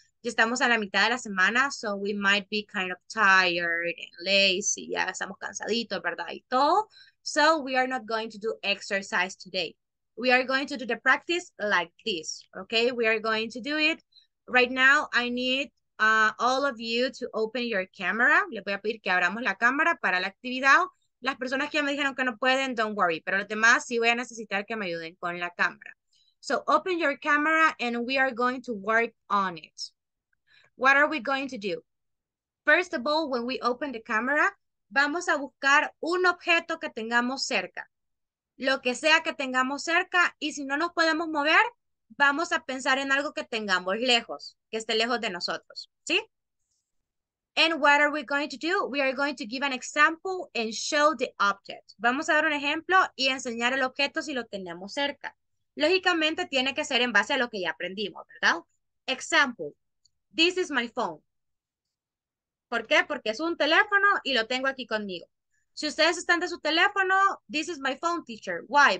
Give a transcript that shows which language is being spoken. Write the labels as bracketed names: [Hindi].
[Spanish] Ya estamos a la mitad de la semana, [English] so we might be kind of tired and lazy. [Spanish] Ya estamos cansaditos, ¿verdad? Y todo. [English] So we are not going to do exercise today. We are going to do the practice like this, okay? We are going to do it. Right now, I need all of you to open your camera. [Spanish] Le voy a pedir que abramos la cámara para la actividad. Las personas que ya me dijeron que no pueden, [English] don't worry. [Spanish] Pero los demás sí voy a necesitar que me ayuden con la cámara. [English] So, open your camera and we are going to work on it. What are we going to do? First of all, when we open the camera, [Spanish] vamos a buscar un objeto que tengamos cerca. Lo que sea que tengamos cerca. Y si no nos podemos mover, vamos a pensar en algo que tengamos lejos, que esté lejos de nosotros, ¿sí? [English] And what are we going to do? We are going to give an example and show the object. [Spanish] Vamos a dar un ejemplo y enseñar el objeto si lo tenemos cerca. Lógicamente tiene que ser en base a lo que ya aprendimos, ¿verdad? [English] Example. This is my phone. [Spanish] ¿Por qué? Porque es un teléfono y lo tengo aquí conmigo. Si ustedes están de su teléfono, [English] this is my phone, teacher. Why?